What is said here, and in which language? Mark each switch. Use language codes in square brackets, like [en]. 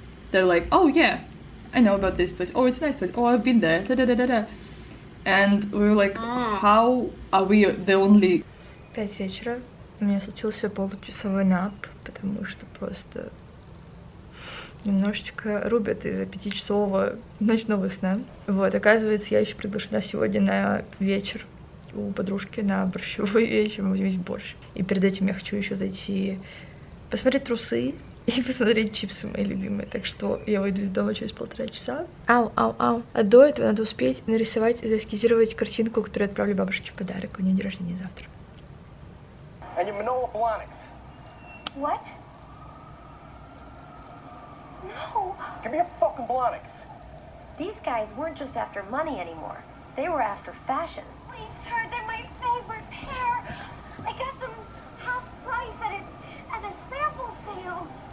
[en] They're like, oh yeah, I know about this place. Oh, it's a nice place. Oh, I've been there. Da-da-da-da-da. And we were like, how are we the only... [ru] 5 вечера. У меня случился получасовой нап, потому что просто немножечко рубят из-за 5-часового ночного сна. Вот, оказывается, я еще приглашена сегодня на вечер у подружки на борщевой вечер, мы будем есть борщ. И перед этим я хочу еще зайти посмотреть трусы и посмотреть чипсы мои любимые. Так что я выйду из дома через 1.5 часа. Ау. А до этого надо успеть нарисовать и заэскизировать картинку, которую отправлю бабушке в подарок. У нее день рождения завтра. И Манола Полоникс. Что? Нет. Дай мне фуккин Полоникс. Эти парни не были просто [en] after money anymore. They were after fashion. Please, sir, they're my favorite pair. I got them half price at a sample sale.